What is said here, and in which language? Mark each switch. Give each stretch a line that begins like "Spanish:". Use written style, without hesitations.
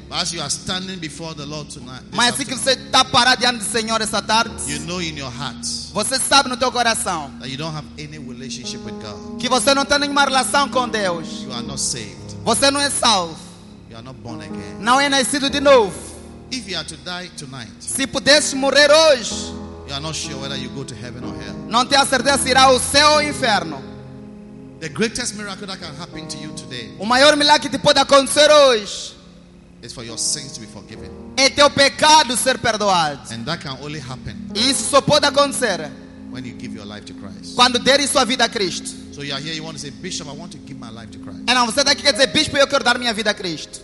English: But as you are standing before the Lord tonight.
Portuguese: Mas assim que você está parado diante do Senhor esta tarde.
English: You know in your heart.
Portuguese: Você sabe no teu coração.
English: That you don't have any relationship with God.
Portuguese: Que você não tem nenhuma relação com Deus.
English: You are not saved.
Portuguese: Você não é salvo.
English: You are not born again.
Portuguese: Não é nascido de novo.
English: If you are to die tonight.
Portuguese: Se pudesse morrer hoje.
English: You are not sure whether you go to heaven or hell.
Portuguese: Não tem a certeza se irá ao céu ou ao inferno.
English: The greatest miracle that can happen to you today.
Portuguese: O maior milagre que te pode acontecer hoje.
English: Is for your sins to be forgiven.
Portuguese: É teu pecado ser perdoado.
English: And that can only happen.
Portuguese: Isso só pode acontecer.
English: When you give your life to Christ.
Portuguese: Quando deres sua vida a Cristo.
English: So you are here, you want to say, Bishop, I want to give my life to Christ.
Portuguese: E não, você está aqui quer dizer, Bispo, eu quero dar minha vida a Cristo.